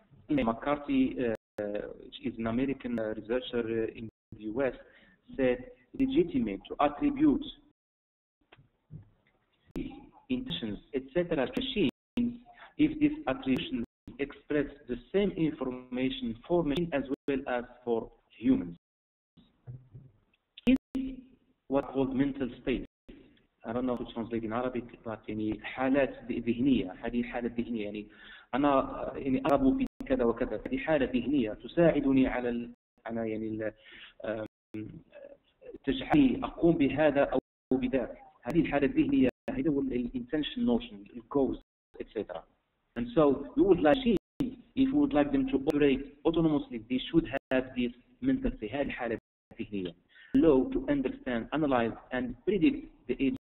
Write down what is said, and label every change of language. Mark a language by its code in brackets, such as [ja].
[en] McCarthy, which is an American researcher in the US, said, legitimate to attribute intentions, etc., to machines if this attribution expresses the same information for machine as well as for humans. Is what called mental state. I don't know how to translate in Arabic, but any [ar] حالات ذهنية, هذه حالة ذهنية, يعني أنا يعني أرغب في كذا وكذا, هذه حالة ذهنية تساعدني على ال على يعني ال تجعلني أقوم بهذا أو بذاك. هذه الحالة الذهنية, هذا هو ال [en] intention notion, the cause, etc. And so we would like them, if we would like them to operate autonomously, they should have this mental state, [ar] هذه الحالة الذهنية, [en] low to understand, analyze, and predict the agent.